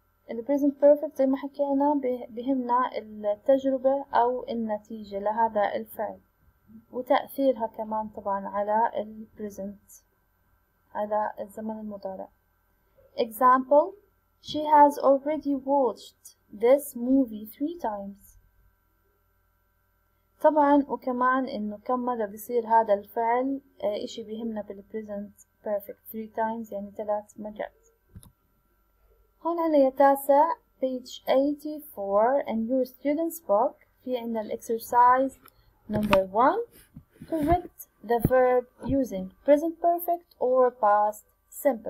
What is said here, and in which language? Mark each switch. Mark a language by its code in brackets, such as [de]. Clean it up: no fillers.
[ar] الـ present perfect زي ما حكينا بهمنا التجربة أو النتيجة لهذا الفعل وتأثيرها كمان طبعا على الـ present, على الزمن المضارع. [en] Example, she has already watched this movie 3 times. [ar] طبعا وكمان انه كم مرة بيصير هذا الفعل اشي بيهمنا بالـ present perfect, [en] 3 times [ar] يعني 3 مرات. هون عنا يا تاسع [en] page 84 in your student's book, [ar] في عنا الـ [en] exercise number 1, correct the verb using present perfect or past simple.